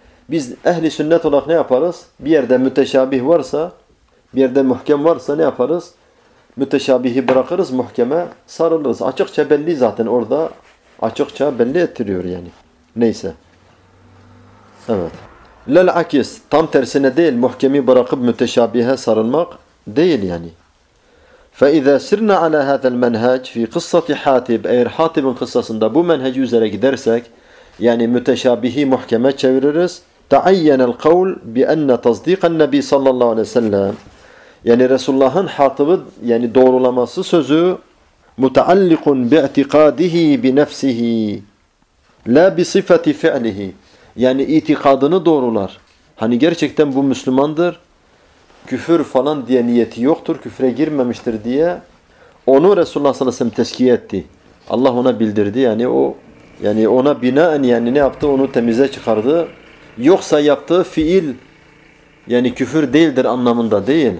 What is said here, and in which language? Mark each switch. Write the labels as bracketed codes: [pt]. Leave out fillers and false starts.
[tr] Biz ehli sünnet olarak ne yaparız? Bir yerde müteşabih varsa, bir yerde muhkem varsa ne yaparız? Müteşabihi bırakırız, muhkeme sarılırız. Açıkça belli zaten orada. Açıkça belli ettiriyor yani. Neyse. Evet. Lel akis. Tam tersine değil. Muhkemi bırakıp müteşabihe sarılmak değil yani. [ar] فَإِذَا سِرْنَا عَلَى هَذَا الْمَنْهَجِ فِي قِصَّةِ حَاتِبٍ, [tr] eğer Hatib'in kıssasında bu menhec üzere gidersek, yani müteşabihi muhkeme çeviririz, [ar] تَعَيَّنَ الْقَوْلُ بِأَنَّ تَصْدِيقَ النَّبِي صَلَّى اللّٰهُ عَلَيْهِ سَلَّمِ, [tr] yani Resulullah'ın Hatib'i yani doğrulaması sözü, [ar] مُتَعَلِّقٌ بِاَعْتِقَادِهِ بِنَفْسِهِ لَا بِصِفَةِ فِعْلِهِ, [tr] yani itikadını doğrular. Hani gerçekten bu Müslümandır, küfür falan diye niyeti yoktur, küfre girmemiştir diye onu Resulullah sallallahu aleyhi ve sellem tezkiye etti. Allah ona bildirdi yani, o yani ona binaen yani ne yaptı? Onu temize çıkardı. Yoksa yaptığı fiil yani küfür değildir anlamında değil.